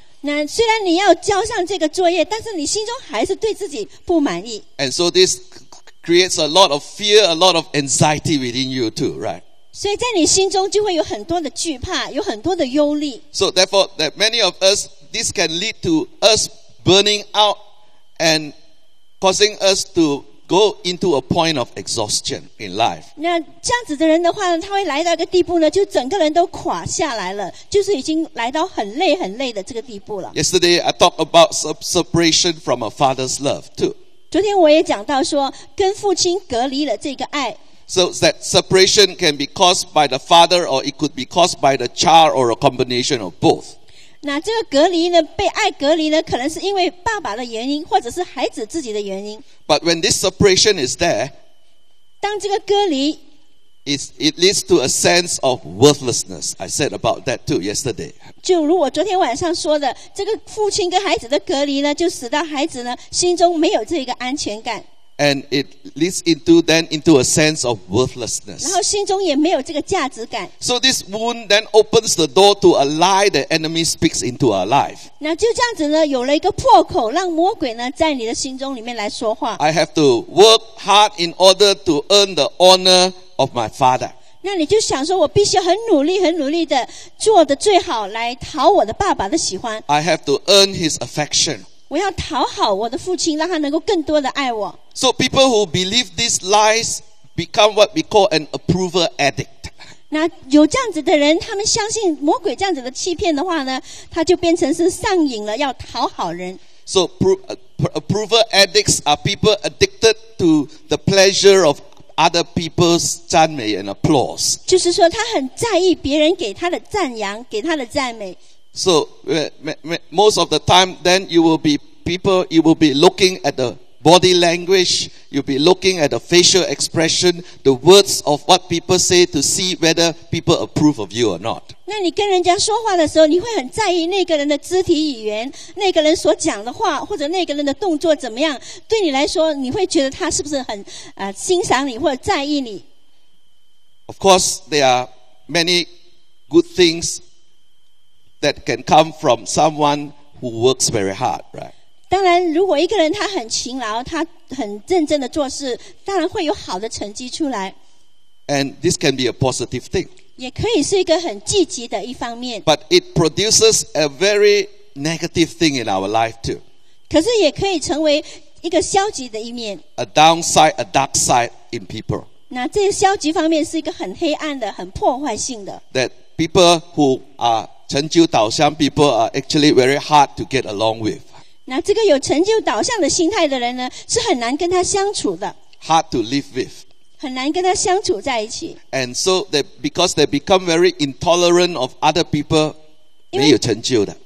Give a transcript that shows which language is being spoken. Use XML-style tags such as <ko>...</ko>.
<zh>那虽然你要交上这个作业，但是你心中还是对自己不满意。</zh> <en>And so this creates a lot of fear, a lot of anxiety within you too, right?</en> <zh>所以在你心中就会有很多的惧怕，有很多的忧虑。</zh> <en>So therefore, that many of us, this can lead to us burning out and causing us to go into a point of exhaustion in life.</en> <zh>那这样子的人的话呢，他会来到一个地步呢，就整个人都垮下来了，就是已经来到很累很累的这个地步了。</zh> <en>Yesterday, I talked about separation from a father's love too.</en> <zh>昨天我也讲到说，跟父亲隔离了这个爱。</zh> <en>So that separation can be caused by the father, or it could be caused by the child, or a combination of both.</en> <zh>那这个隔离呢，被爱隔离呢，可能是因为爸爸的原因，或者是孩子自己的原因。</zh> <en>But when this separation is there,</en> <zh>当这个隔离</zh> <en>it leads to a sense of worthlessness. I said about that too yesterday.</en> <zh>就如我昨天晚上说的，这个父亲跟孩子的隔离呢，就使到孩子呢心中没有这个安全感。</zh> <en>And it leads into a sense of worthlessness.</en> <zh>然后心中也没有这个价值感。</zh> <en>So this wound then opens the door to a lie the enemy speaks into our life.</en> <zh>那就这样子呢，有了一个破口，让魔鬼呢在你的心中里面来说话。</zh> <en>I have to work hard in order to earn the honor of my father.</en> <zh>那你就想说，我必须很努力、很努力的做的最好，来讨我的爸爸的喜欢。</zh> <en>I have to earn his affection.</en> <zh>我要讨好我的父亲，让他能够更多的爱我。</zh> <en>So people who believe these lies become what we call an approval addict.</en> <zh>那有这样子的人，他们相信魔鬼这样子的欺骗的话呢，他就变成是上瘾了，要讨好人。</zh> <en>So approval addicts are people addicted to the pleasure of other people's</en> <zh>赞美</zh> <en>and applause.</en> <zh>就是说，他很在意别人给他的赞扬，给他的赞美。</zh> <en>So, most of the time, then you will be people, you will be looking at the body language, you'll be looking at the facial expression, the words of what people say to see whether people approve of you or not.</en> <zh>那你跟人家说话的时候，你会很在意那个人的肢体语言，那个人所讲的话，或者那个人的动作怎么样，对你来说，你会觉得他是不是很欣赏你或者在意你。</zh> <en>Of course, there are many good things. That can come from someone who works very hard, right?</en> <zh>当然，如果一个人他很勤劳，他很认真的做事，当然会有好的成绩出来。</zh> <en>And this can be a positive thing.</en> <zh>也可以是一个很积极的一方面。</zh> <en>But it produces a very negative thing in our life too.</en> <zh>可是也可以成为一个消极的一面。</zh> <en>A downside, a dark side in people.</en> <zh>那这个消极方面是一个很黑暗的、很破坏性的。</zh> <en>That people who are</en> <zh>成就导向</zh> <en>people are actually very hard to get along with.</en> <zh>那这个有成就导向的心态的人呢，是很难跟他相处的。</zh> <en>Hard to live with.</en> <zh>很难跟他相处在一起。</zh> <en>And so they, because they become very intolerant of other people,</en> <zh>没有成就的。</zh>